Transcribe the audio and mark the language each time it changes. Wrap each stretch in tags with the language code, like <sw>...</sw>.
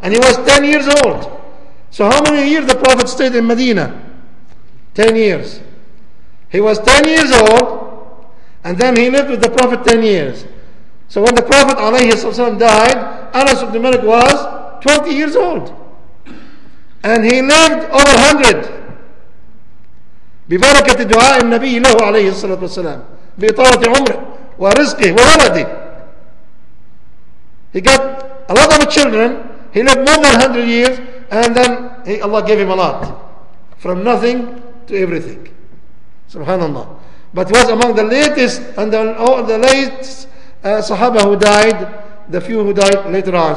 <en>And he was 10 years old. So how many years the Prophet stayed in Medina? 10 years. He was 10 years old, and then he lived with the Prophet 10 years. So when the Prophet ﷺ died, Anas ibn Malik was 20 years old. And he lived over 100.</en> <ar>ببركة دعاء النبي له عليه الصلاة والسلام بإطالة عمره ورزقه وولده.</ar> <en>He got a lot of children. He lived more than 100 years. And then Allah gave him a lot. From nothing to everything. Subhanallah. But he was among the latest and the late Sahaba who died, the few who died later on.</en>